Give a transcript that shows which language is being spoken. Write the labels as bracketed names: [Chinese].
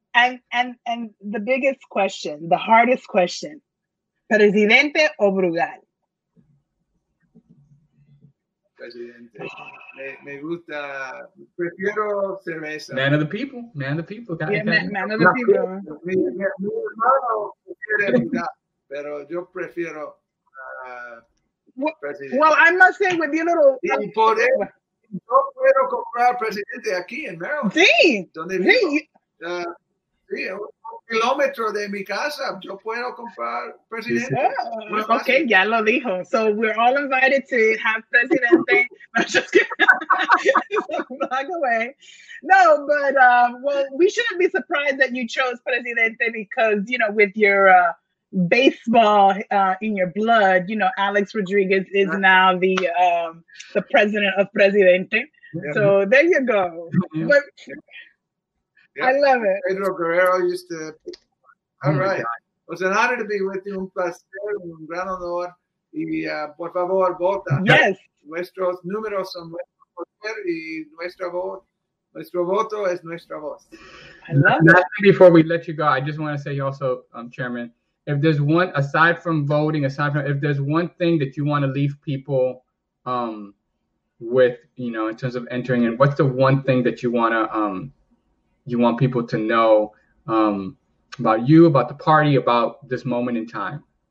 [English] And the biggest question, the hardest question, [Spanish] presidente o Brugal? presidente. Me gusta, prefiero cerveza. [English] Man of the people, man of the people. Yeah, man of the people. [Spanish] Mi hermano quiere mitad, pero yo prefiero presidente. [English] Well, I must say, with your little... [Spanish] Y por eso, yo quiero comprar presidente aquí en Maryland. Sí, sí. Sí, kilómetro de mi casa, yo puedo comprar presidente. [English] Oh, okay, [Spanish] ya lo dijo. [English] So we're all invited to have presidente. I'm just kidding. Back away. No, but well, we shouldn't be surprised that you chose presidente because, you know, with your baseball in your blood, you know, Alex Rodriguez is now the president of presidente. Yeah. So there you go. Yeah. But, yeah. I love it. Pedro Guerrero used to. All right. It was an honor to be with you. [Spanish] Un placer, un gran honor. Y por favor, vota. [English] Yes. [Spanish] Nuestros números son nuestro poder y nuestro voto es nuestra voz. [English] I love that. Before we let you go, I just want to say also, Chairman, if there's one, aside from voting, aside from, if there's one thing that you want to leave people with, you know, in terms of entering in, what's the one thing that you want to, you want people to know about you, about the party, about this moment in time?